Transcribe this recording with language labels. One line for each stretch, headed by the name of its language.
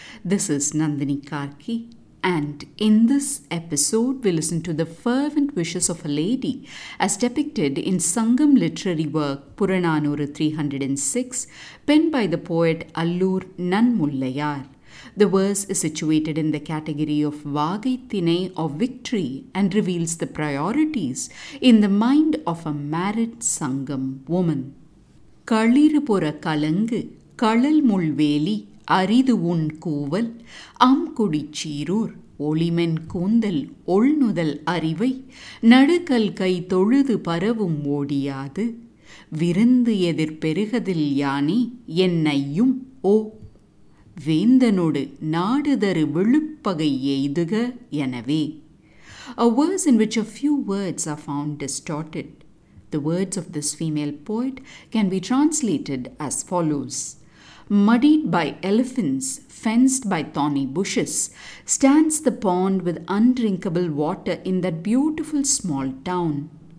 English: This is Nandini Karki, and in this episode we listen to the fervent wishes of a lady as depicted in Sangam literary work Puranaanooru 306, penned by the poet Alloor Nanmullaiyaar. The verse is situated in the category of Vaagai Thinai, or victory, and reveals the priorities in the mind of a married Sangam woman.
Tamil: களிறுபுற கலங்கு கழல் முள்வேலி அரிது உன் கூவல் அம்குடி சீரூர் ஒளிமென் கூந்தல் ஒழ்நுதல் அறிவை நடுக்கல் கை தொழுது பரவும் ஓடியாது விருந்து எதிர்பெருகதில் யானே என்னையும் ஓ வேந்தனோடு நாடுதரு விழுப்பகை எய்துக எனவே.
English: A verse in which a few words are found distorted. The words of this female poet can be translated as follows. Muddied by elephants, fenced by thorny bushes, stands the pond with undrinkable water in that beautiful small town.